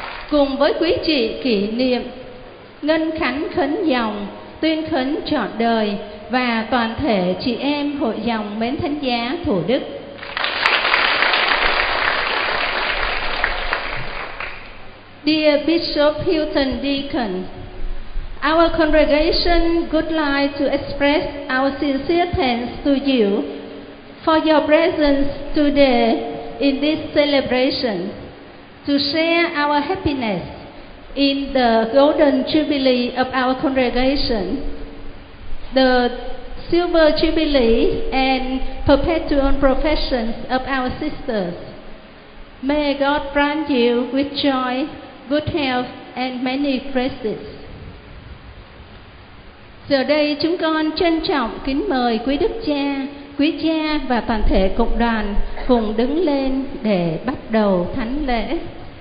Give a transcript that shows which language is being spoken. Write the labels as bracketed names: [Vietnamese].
[Vietnamese] Cùng với quý chị kỷ niệm ngân khánh khấn dòng, tuyên khấn trọn đời và toàn thể chị em hội dòng Mến Thánh Giá Thủ Đức. [English] Dear Bishop Hilton Deacon, our congregation would like to express our sincere thanks to you for your presence today in this celebration to share our happiness in the Golden Jubilee of our congregation, the Silver Jubilee and Perpetual Professions of our sisters. May God grant you with joy, good health and many graces. [Vietnamese] Giờ đây chúng con trân trọng kính mời quý đức cha, quý cha và toàn thể cộng đoàn cùng đứng lên để bắt đầu thánh lễ.